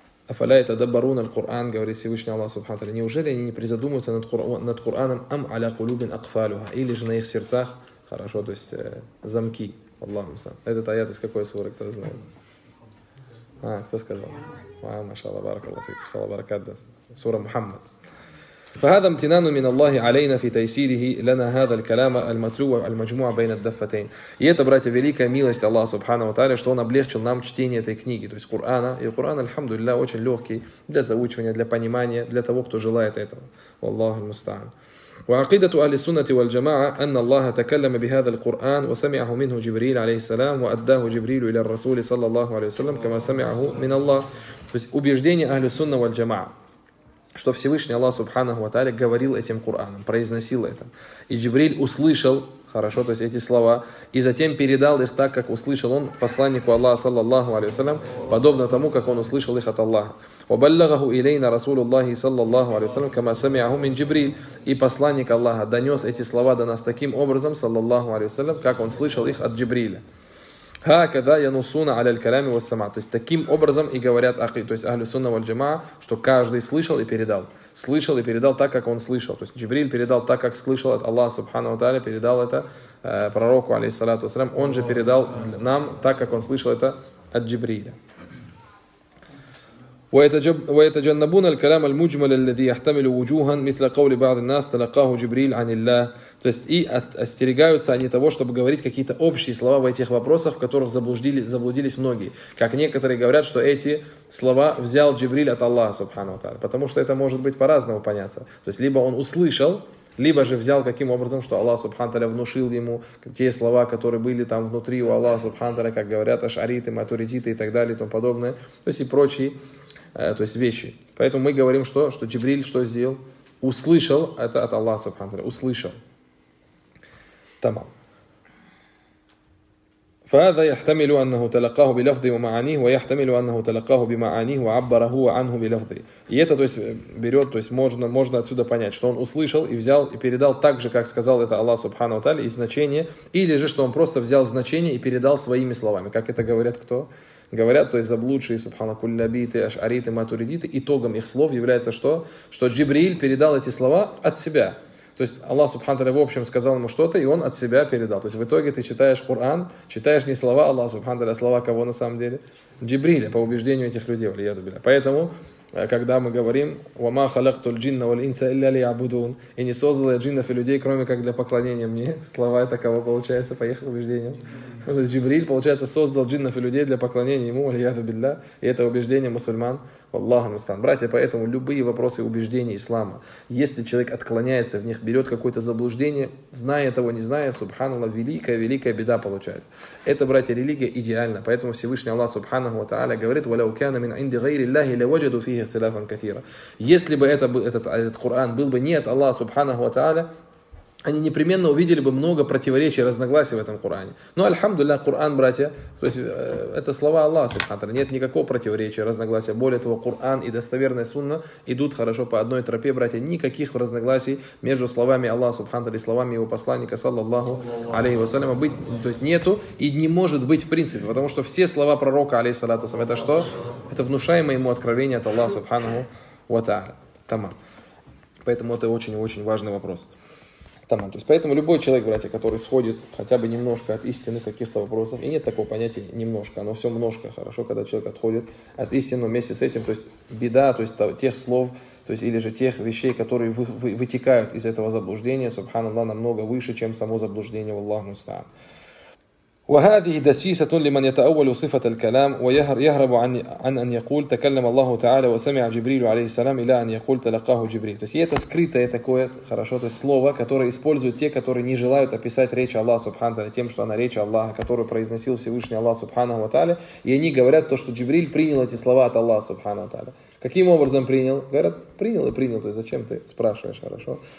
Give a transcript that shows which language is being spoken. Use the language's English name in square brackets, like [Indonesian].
[Arabic] أفلا يتدبرون القرآن [Russian] говорит Всевышний Аллах [Arabic] سبحانه وتعالى [Russian] неужели они не призадумываются над Кораном [Arabic] أم على قلوب أقفالها [Russian] или же на их сердцах хорошо то есть замки Аллаху Акбар этот аят из какой суры кто знает а кто сказал а машаллах баракаллах фик салам баракат да сура Мухаммад [Arabic] فهذا امتنان من الله علينا في تيسيره لنا هذا الكلام المتلو المجموع بين الدفتين. [Russian] И это, братья, великая милость Аллаха Субхана ва Тааля, что Он облегчил нам чтение этой книги, то есть Корана. И Коран, альхамдулилля, очень легкий для заучивания, для понимания, для того, кто желает этого. [Arabic] والله المستعان. وعقيدة أهل السنة والجماعة أن الله تكلم بهذا القرآن وسمعه منه جبريل عليه السلام وأداه جبريل إلى الرسول صلى الله عليه وسلم كما سمعه من الله. [Russian] То есть убеждение [Arabic] أهل السنة والجماعة. [Russian] Что Всевышний Аллах Субханаху ва Тааля говорил этим Кораном, произносил это. И Джибриль услышал, хорошо, то есть эти слова, и затем передал их так, как услышал он посланнику Аллаха, саллаллаху алейхи ва саллям, подобно тому, как он услышал их от Аллаха. [Arabic] وبلغه إلينا رسول الله صلى الله عليه وسلم كما سمعه من جبريل [Russian] и посланник Аллаха донес эти слова до нас таким образом, саллаллаху алейхи ва саллям, как он слышал их от Джибриля. [Arabic] هكذا ينصون على الكلام والسماع. [Russian] То есть таким образом и говорят ахли, то есть ахли сунна валь джамаа, что каждый слышал и передал. Слышал и передал так, как он слышал. То есть Джибриль передал так, как слышал от Аллаха Субхана ва Тааля, передал это пророку, алейхиссалату вассалям. Он же передал нам так, как он слышал это от Джибриля. [Arabic] ويتجنبون الكلام المجمل الذي يحتمل وجوها مثل قول بعض الناس تلقاه جبريل عن الله. [Russian] То есть и остерегаются они того, чтобы говорить какие-то общие слова в этих вопросах, в которых заблудились многие. Как некоторые говорят, что эти слова взял Джибриль от Аллаха Субхана ва Тааля. Потому что это может быть по-разному поняться. То есть либо он услышал, либо же взял каким образом, что Аллах Субхана ва Тааля внушил ему те слова, которые были там внутри у Аллаха Субхана ва Тааля, как говорят ашариты, матуридиты и так далее и тому подобное. То есть и прочие. То есть вещи. Поэтому мы говорим, что Джибриль что сделал? Услышал это от Аллаха Субхана ва Тааля. Услышал. Тамам. [Arabic] فهذا يحتمل أنه تلقاه بلفظه ومعانيه ويحتمل أنه تلقاه بمعانيه وعبره عنه بلفظه. [Russian] И это, то есть, берет, то есть, можно отсюда понять, что он услышал и взял и передал так же, как сказал это Аллах Субхана ва Тааля, и значение, или же, что он просто взял значение и передал своими словами. Как это говорят кто? Говорят, то есть заблудшие, субхана, кулябиты, ашариты, матуридиты, итогом их слов является что? Что Джибриль передал эти слова от себя. То есть Аллах Субхана ва Тааля в общем сказал ему что-то, и он от себя передал. То есть в итоге ты читаешь Коран, читаешь не слова Аллаха Субхана ва Тааля, а слова кого на самом деле? Джибриля, по убеждению этих людей, валиаду билля. Поэтому, когда мы говорим, «Вама халактул джинна валь инса илля ли абудун», и не создал я джиннов и людей, кроме как для поклонения мне, слова это кого получается, по их убеждениям? То есть Джибриль, получается, создал джиннов и людей для поклонения ему, валиаду билля, и это убеждение мусульман. Братья, поэтому любые вопросы убеждения ислама, если человек отклоняется в них, берет какое-то заблуждение, зная того, не зная, субханаллах, великая-великая беда получается. Это, братья, религия идеальна. Поэтому Всевышний Аллах, субханаху ва тааля, говорит, [Arabic] وَلَوْ كَانَ مِنْ عِنْدِ غَيْرِ اللَّهِ لَوَجَدُ فِيهِ اخْتِلَافًا كَثِيرًا. [Russian] Если бы этот Коран был бы не от Аллаха, субханаху ва тааля, они непременно увидели бы много противоречий, разногласий в этом Коране. Но, альхамдулилля, Коран, братья, то есть это слова Аллаха, субханаху, нет никакого противоречия, разногласия. Более того, Коран и достоверная сунна идут хорошо по одной тропе, братья. Никаких разногласий между словами Аллаха, субханаху, и словами его посланника, саллаллаху алейхи вассаляма, то есть нету и не может быть в принципе. Потому что все слова пророка, алейхиссалату вассалям, это что? Это внушаемое ему откровение от Аллаха, субханаху ва тааля. Тамам. Поэтому это очень-очень важный вопрос. То есть, поэтому любой человек, братья, который сходит хотя бы немножко от истины каких-то вопросов, и нет такого понятия немножко, оно все множко, хорошо, когда человек отходит от истины вместе с этим, то есть беда, то есть тех слов, то есть или же тех вещей, которые вытекают из этого заблуждения, субханаллах, намного выше, чем само заблуждение, валлаху мустаан. [Arabic] وهذه دسيسة لمن يتأول صفة الكلام ويهرب عن أن يقول تكلم الله تعالى وسمع جبريل عليه السلام إلى أن يقول تلقاه جبريل. [Russian] То есть это скрытое такое хорошо то есть слово, которое используют те, которые не желают описать речь Аллаха Субхана ва Тааля тем, что она речь Аллаха, которую произносил Всевышний Аллах Субхана ва Тааля, и они говорят то, что Джибриль принял эти слова от Аллаха Субхана ва Тааля. Каким образом принял? Говорят, принял. То есть зачем ты спрашиваешь, хорошо?